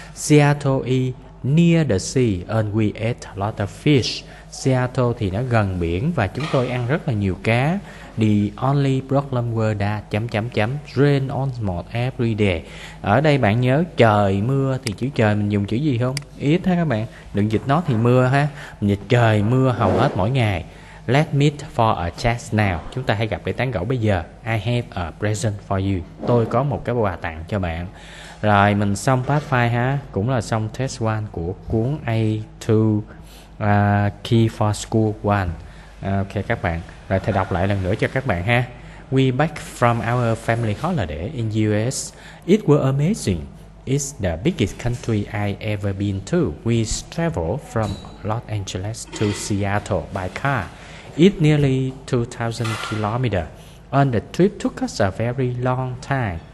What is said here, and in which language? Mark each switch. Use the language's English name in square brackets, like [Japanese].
[English] Seattle is near the sea and we ate a lot of fish. [Vietnamese] Seattle thì nó gần biển và chúng tôi ăn rất là nhiều cá. [English] The only problem were that [Vietnamese] chấm chấm chấm [English] rain almost every day. [Vietnamese] Ở đây bạn nhớ trời mưa thì chữ trời mình dùng chữ gì không? Ít ha các bạn. Đừng dịch nó thì mưa ha. Mình dịch trời mưa hầu hết mỗi ngày. [English] Let's meet for a chat now. [Vietnamese] Chúng ta hãy gặp để tán gẫu bây giờ. [English] I have a present for you. [Vietnamese] Tôi có một cái quà tặng cho bạn. Rồi mình xong part 5 ha. Cũng là xong test 1 của cuốn A2 Key for School 1. Ok các bạn. Rồi thầy đọc lại lần nữa cho các bạn ha. [English] We back from our family holiday in US. It was amazing. It's the biggest country I ever been to. We traveled from Los Angeles to Seattle by car. It's nearly 2,000 kilometers. And the trip took us a very long time.